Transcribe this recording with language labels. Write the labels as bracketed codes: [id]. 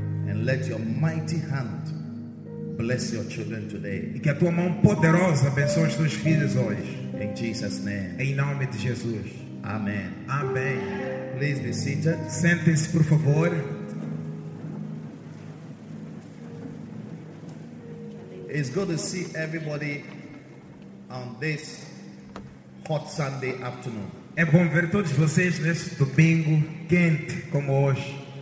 [en] And let your mighty hand bless your children today. [pt] E que a tua mão poderosa abençoe os teus filhos hoje. [en] In Jesus' name. [pt] Em nome de Jesus. [en] Amen. [pt] Amém. [en] Please be seated. [pt] Sentem-se, por favor. [en] It's good to see everybody on this hot Sunday afternoon. [pt] É bom ver todos vocês neste domingo quente como hoje.